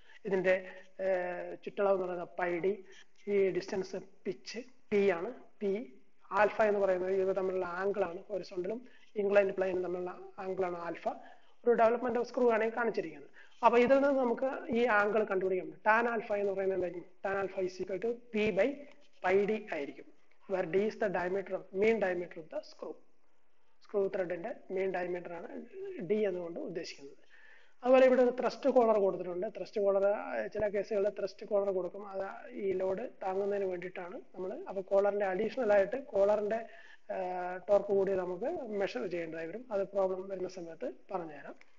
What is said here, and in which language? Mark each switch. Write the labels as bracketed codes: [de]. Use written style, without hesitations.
[ml] ഇതിന്റെ ചുറ്റളവ് എന്ന് പറയുന്നത് പൈ ഡി, ഈ ഡിസ്റ്റൻസ് പിച്ച് പി ആണ്, പി ആൽഫ എന്ന് പറയുന്നത് ഇത് തമ്മിലുള്ള ആംഗിളാണ്, ഹൊറിസോണ്ടലും ഇൻക്ലൈൻഡ് പ്ലെയിനും തമ്മിലുള്ള ആംഗിളാണ് ആൽഫ. ഒരു ഡെവലപ്മെന്റ് ഓഫ് സ്ക്രൂ ആണെങ്കിൽ കാണിച്ചിരിക്കുന്നത്. അപ്പൊ ഇതിൽ നിന്ന് നമുക്ക് ഈ ആംഗിൾ കണ്ടുപിടിക്കാം. ടാൻ ആൽഫ എന്ന് പറയുന്നത് എന്തായിരിക്കും? Tan alpha is equal to P by pi D ആയിരിക്കും. [en] Where D is the diameter of, main diameter of the screw. [ml] Screw ത്രെഡിന്റെ മെയിൻ ഡയമീറ്റർ ആണ് ഡി എന്നുകൊണ്ട് ഉദ്ദേശിക്കുന്നത്. അതുപോലെ ഇവിടെ ഒരു ത്രസ്റ്റ് കോളർ കൊടുത്തിട്ടുണ്ട്. ത്രസ്റ്റ് കോളർ ചില കേസുകളിൽ ത്രസ്റ്റ് കോളർ കൊടുക്കും, അത് ഈ ലോഡ് താങ്ങുന്നതിന് വേണ്ടിയിട്ടാണ് നമ്മൾ. അപ്പോൾ കോളറിന്റെ അഡീഷണൽ ആയിട്ട് കോളറിന്റെ ടോർക്ക് കൂടി നമുക്ക് മെഷർ ചെയ്യേണ്ടതായി വരും. അത് പ്രോബ്ലം വരുന്ന സമയത്ത് പറഞ്ഞുതരാം.